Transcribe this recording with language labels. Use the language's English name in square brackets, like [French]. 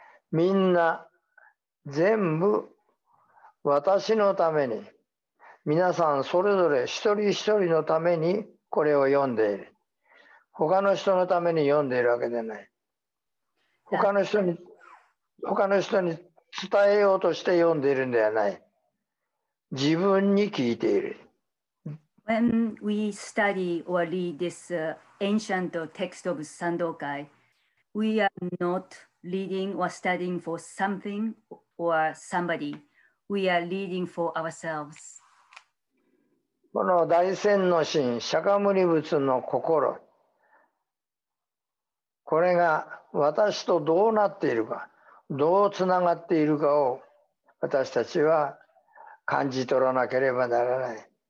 [Japanese] みんな全部私のために、皆さんそれぞれ一人一人のためにこれを読んでいる。他の人のために読んでいるわけじゃない。他の人に伝えようとして読んでいるんではない。自分に聞いている。 [English] When we study or read this ancient text of Sandokai, we are not reading or studying for something or somebody. We are reading for ourselves. [Japanese] この大戦の神、釈迦牟尼仏の心、これが私とどうなっているか、どうつながっているかを私たちは感じ取らなければならない。